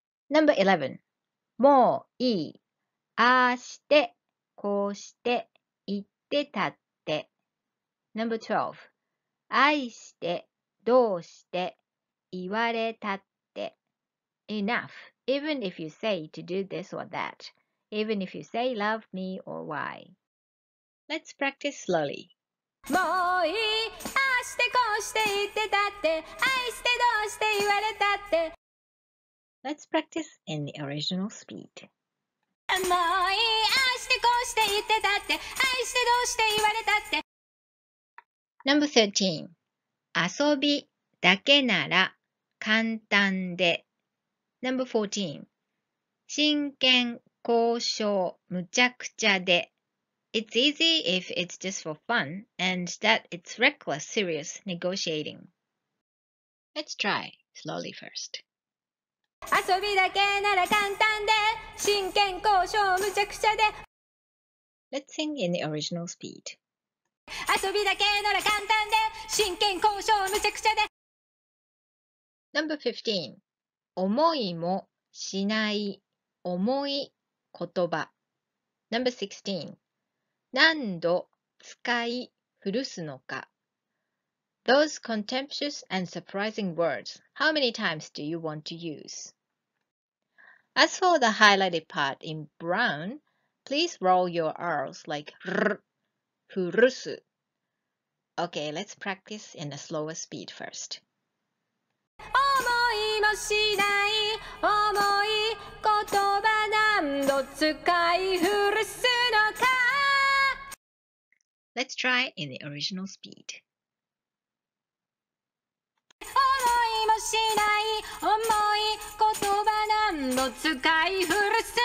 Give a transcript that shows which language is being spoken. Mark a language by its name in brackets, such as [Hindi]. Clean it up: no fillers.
[English] Number 11. [Japanese] もういい。ああして、こうして、言ってたって。 [English] Number 12. [Japanese] 愛して、どうして、言われたって。 [English] Enough. Even if you say to do this or that. Even if you say love me or why. Let's practice slowly. [Japanese] もういい。ああして、こうして、言ってたって。愛して、どうして、言われたって。 [English] Let's practice in the original speed. [Japanese] もういい、愛してこうして言ってたって、愛してどうして言われたって。 [English] Number 13. [Japanese] 遊びだけなら簡単で。 [English] Number 14. [Japanese] 真剣交渉むちゃくちゃで。 [English] It's easy if it's just for fun and that it's reckless serious negotiating. Let's try slowly first. [Japanese] 遊びだけなら簡単で、真剣交渉むちゃくちゃで。 [English] Let's sing in the original speed. [Japanese] 遊びだけなら簡単で、真剣交渉むちゃくちゃで。 [English] Number 15. [Japanese] 思いもしない重い言葉。 [English] Number 16. [Japanese] 何度使い古すのか。 [English] Those contemptuous and surprising words, how many times do you want to use? As for the highlighted part in brown, please roll your R's like R, furusu. Okay, let's practice in a slower speed first. [Japanese] 思いもしない重い言葉何度使い古すのか。 [English] Let's try in the original speed. [Japanese] しない重い言葉何度使い古すのか。